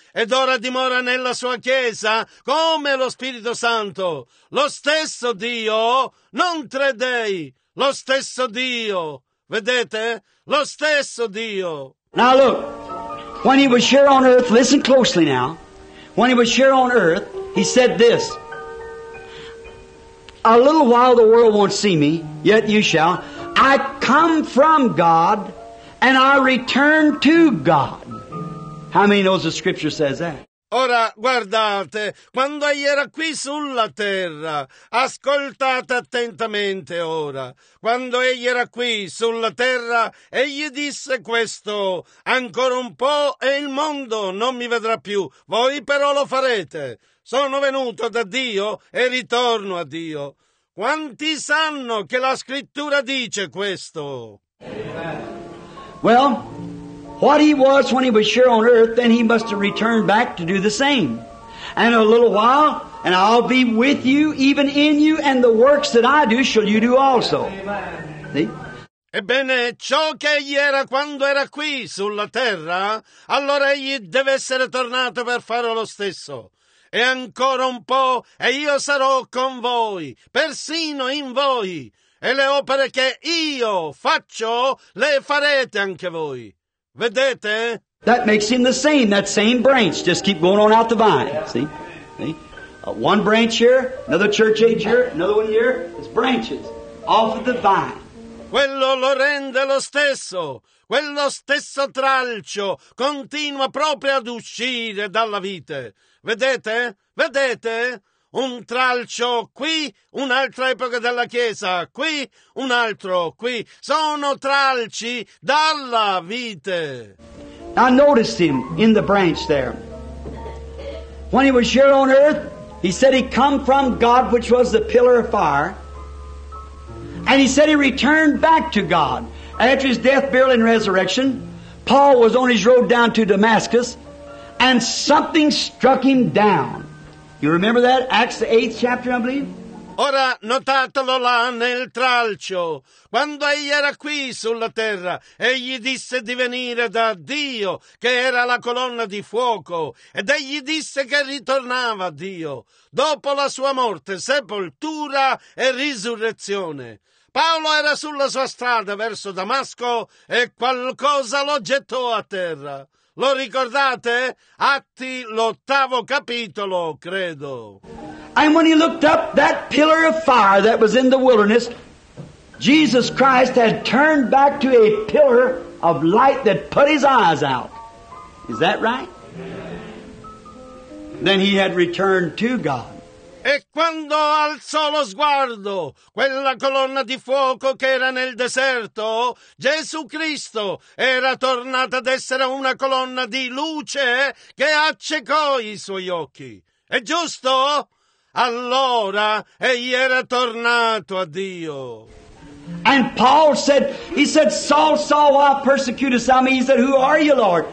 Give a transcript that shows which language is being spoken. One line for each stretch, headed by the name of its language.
Italian: Ed ora dimora nella sua chiesa come lo Spirito Santo. Lo stesso Dio, non tre dei, lo stesso Dio. Vedete? Lo stesso Dio.
English: Now look, when He was here on earth, listen closely now. When He was here on earth, He said this. A little while the world won't see me, yet you shall. I come from God, and I return to God. How many knows the scripture says that?
Italian: Ora guardate, quando egli era qui sulla terra, ascoltate attentamente ora. Quando egli era qui sulla terra, egli disse questo, ancora un po' e il mondo non mi vedrà più, voi però lo farete. Sono venuto da Dio e ritorno a Dio. Quanti sanno che la scrittura dice questo?
English: Well, what He was when He was here on earth, then He must have returned back to do the same. And a little while, and I'll be with you, even in you, and the works that I do shall you do also. See?
Italian: Ebbene, ciò che egli era quando era qui sulla terra, allora egli deve essere tornato per fare lo stesso. E ancora un po', e io sarò con voi, persino in voi, e le opere che io faccio, le farete anche voi. Vedete?
English: That makes Him the same, that same branch. Just keep going on out the vine. See? One branch here, another church age here, another one here. It's branches off of the vine.
Italian: quello lo rende lo stesso, quello stesso tralcio continua proprio ad uscire dalla vite. Vedete? Vedete? Un tralcio qui, un'altra epoca della Chiesa, qui, un altro qui. Sono tralci dalla vite.
English: I noticed him in the branch there. When he was here on earth, he said he come from God, which was the pillar of fire. And he said he returned back to God. After his death, burial, and resurrection, Paul was on his road down to Damascus, and something struck him down. You remember that? Acts the 8th chapter, I believe?
Italian: Ora notatelo là nel tralcio. Quando egli era qui sulla terra, egli disse di venire da Dio, che era la colonna di fuoco, ed egli disse che ritornava a Dio, dopo la sua morte, sepoltura e risurrezione. Paolo era sulla sua strada verso Damasco e qualcosa lo gettò a terra. Lo ricordate? Atti l'ottavo capitolo, credo.
English: And when he looked up, that pillar of fire that was in the wilderness, Jesus Christ had turned back to a pillar of light that put his eyes out. Is that right? Then he had returned to God.
Italian: E quando alzò lo sguardo, quella colonna di fuoco che era nel deserto, Gesù Cristo era tornato ad essere una colonna di luce che accecò i suoi occhi. È giusto? Allora egli era tornato a Dio.
English: And Paul said, he said, Saul, Saul, why persecutest thou me? He said, who are you, Lord?